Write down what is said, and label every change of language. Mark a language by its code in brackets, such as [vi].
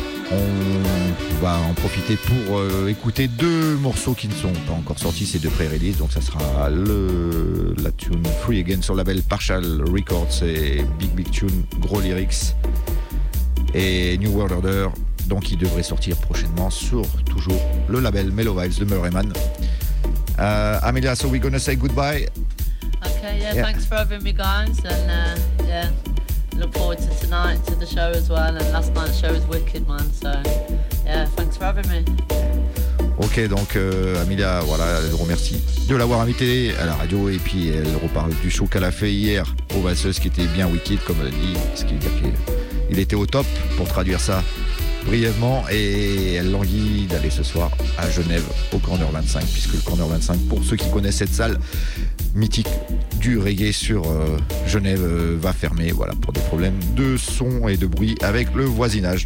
[fr] On va en profiter pour écouter deux morceaux qui ne sont pas encore sortis, c'est de pré-release, donc ça sera la tune Free Again sur le label Partial Records, et Big Big Tune, Gros Lyrics et New World Order, donc qui devrait sortir prochainement sur toujours le label Mellow Vibes de Murray Mann. [en] Amelia, so we're gonna say goodbye. Yeah, thanks for having me, guys, and look forward to tonight, to the show as well. And last night's show was wicked, man. So thanks for having me. [fr] Ok, donc Amelia, voilà, je vous remercie de l'avoir invitée à la radio, et puis elle reparle du show qu'elle a fait hier au Vasseuse, qui était bien wicked, comme elle dit, ce qui veut dire qu'il était au top, pour traduire ça brièvement, et elle languit d'aller ce soir à Genève au Corner 25, puisque le Corner 25, pour ceux qui connaissent cette salle mythique du reggae sur Genève, va fermer, voilà, pour des problèmes de son et de bruit avec le voisinage.